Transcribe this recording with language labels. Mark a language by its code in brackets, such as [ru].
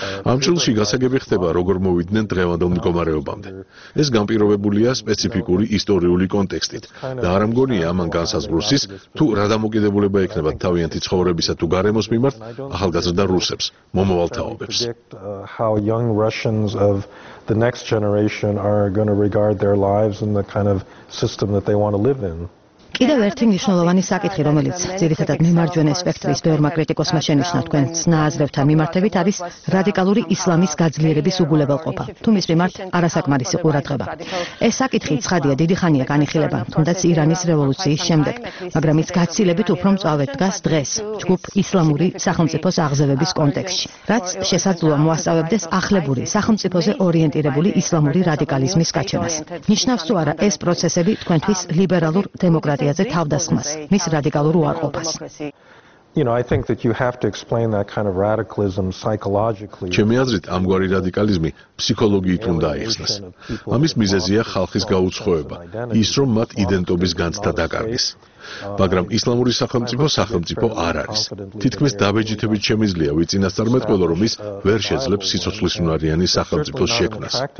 [ka] ამ წელს გასაგები ხდება, როგორ მოვიდნენ დღევანდელ მდგომარეობამდე. ეს განპირობებულია სპეციფიკური ისტორიული კონტექსტით და არ ამგონია ამან განსაზღვროს ის, თუ რა დამოკიდებულება ექნება თავიანთი ცხოვრებისა თუ გარემოს მიმართ ახალგაზრდა რუსებს, მომავალთაობებს. [en] How young Russians of the next generation are going to regard their lives and the kind of system that they want to live in. [ka] კიდევ ერთი მნიშვნელოვანი საკითხი, რომელიც ძირითადად მემარჯვენე სპექტრის ბევრმა კრიტიკოსმა შენიშნა თქვენ ცნაზრევთა მიმართებით, არის რადიკალური ისლამის გაძლიერების უგულებელყოფა, თუ მის მიმართ არასაკმარისი ყურადღება. ეს საკითხი ცხადია, დიდი ხანია განიხილება, თუნდაც ირანის რევოლუციის შემდეგ, მაგრამ ის გაცილებით უფრო მწვავედ დგას დღეს, ჯგუფ ისლამური სახელმწიფოს აღზევების კონტექსტში, რაც შესაძლოა მოასწავებდეს ახლებური სახელმწიფოზე ორიენტირებული ისლამური რადიკალიზმის გაჩენას. ნიშნავს თუ არა ეს პროცესები თქვენთვის ლიბერალურ დემოკრატიაზე თავდასხმას, მის რადიკალურ უარყოფას? [en] You know, I think that you have to explain that kind of radicalism psychologically. [ka] ჩემი აზრით, ამგვარი რადიკალიზმი ფსიქოლოგიით უნდა აიხსნას. ამის მიზეზია ხალხის გაუცხოება, ის რომ მათ იდენტობის განცდა დაკარგეს. მაგრამ ისლამური სახელმწიფო სახელმწიფო არ არის. თითქმის დაბეჯითებით შემიძლია ვიწინასწარმეტყველო, რომ ის ვერ შეძლებს სიცოცხლის უნარიანი სახელმწიფოს შექმნას.